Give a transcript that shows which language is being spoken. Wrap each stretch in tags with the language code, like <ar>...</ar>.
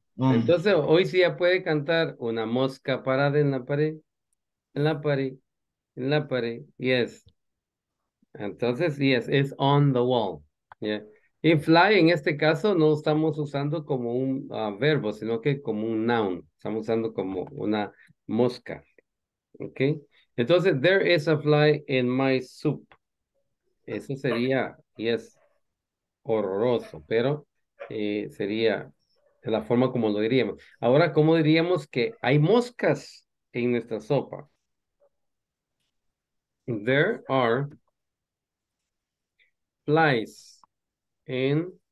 <es>Entonces hoy sí ya puede cantar una mosca parada en la pared. En la pared. En la pared. Yes. Entonces, yes,</es> <en>it's on the wall.</en> <es>Yeah. Y fly en este caso no estamos usando como un verbo, sino que como un noun. Estamos usando como una mosca. Ok.</es> <en>Entonces, there is a fly in my soup.</en> <es>Eso sería, y es horroroso, pero sería de la forma como lo diríamos. Ahora, ¿cómo diríamos que hay moscas en nuestra sopa?</es> <en>There are flies in</en>